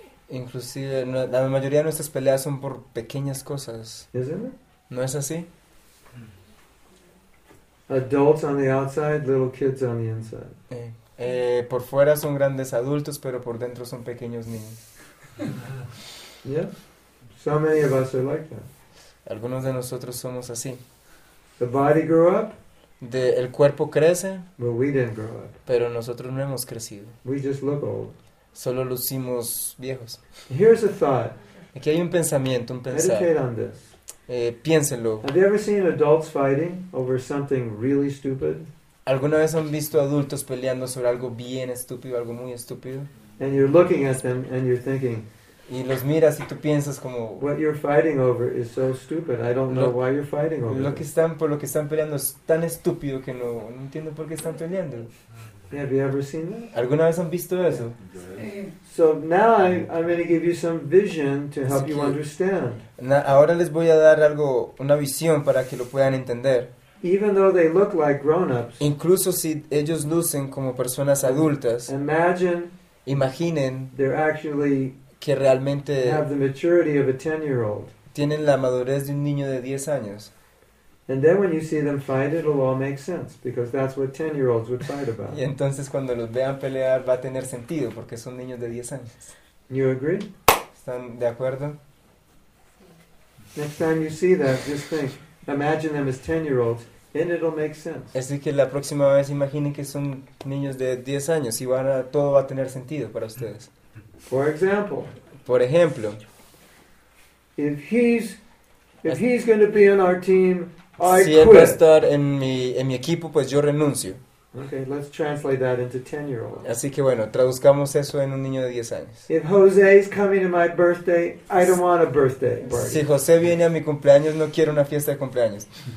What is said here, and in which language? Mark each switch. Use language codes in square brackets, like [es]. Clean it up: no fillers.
[es] Inclusive, la mayoría de nuestras peleas son por pequeñas cosas. [en] Isn't it? [es] ¿No es así? [en] Adults on the outside, little kids on the inside. [es] Por fuera son grandes adultos, pero por dentro son pequeños niños. [en] Yeah. So many of us are like that. [es] Algunos de nosotros somos así. [en] The body grew up. [es] El cuerpo crece. [en] But we didn't grow up. [es] Pero nosotros no hemos crecido. [en] We just look old. [es] Solo lucimos viejos. [en] Here's a thought. [es] Aquí hay un pensamiento, un pensar. [en] Meditate on this. [es] Piénsenlo. [en] Have you ever seen adults fighting over something really stupid? [es] ¿Alguna vez han visto adultos peleando sobre algo bien estúpido, algo muy estúpido? [en] And you're looking at them and you're thinking, [es] y los miras y tú piensas como, [en] what you're fighting over is so stupid. I don't know why you're fighting over. [es] Lo que están por lo que están peleando es tan estúpido que no entiendo por qué están peleando. [en] Have you ever seen that? [es] ¿Alguna vez han visto eso? [en] So now I'm going to give you some vision to help you understand. [es] Ahora les voy a dar algo, una visión para que lo puedan entender. [en] Even though they look like grown-ups. [es] Incluso si ellos lucen como personas adultas. Imaginen [en] they're actually [es] que realmente [en] have the maturity of a 10-year-old. [es] Tienen la madurez de un niño de 10 años. [en] And then when you see them fight, it'll all make sense because that's what 10-year-olds would fight about. [es] Y entonces cuando los vean pelear va a tener sentido porque son niños de 10 años. [en] You agree? [es] ¿Están de acuerdo? [en] Next time you see that, just think, imagine them as 10-year-olds, and it'll make sense. [es] Así que la próxima vez imaginen que son niños de 10 años y van a, todo va a tener sentido para ustedes. [en] For example. [es] Por ejemplo. [en] If he's going to be on our team, I [es] si [en] quit. [es] Si él va a estar en mi equipo, pues yo renuncio. [en] Okay, let's translate that into 10-year-old. [es] Así que bueno, traduzcamos eso en un niño de 10 años. [en] If Jose is coming to my birthday, I don't want a birthday party. [es] Si José viene a mi cumpleaños, no quiero una fiesta de cumpleaños.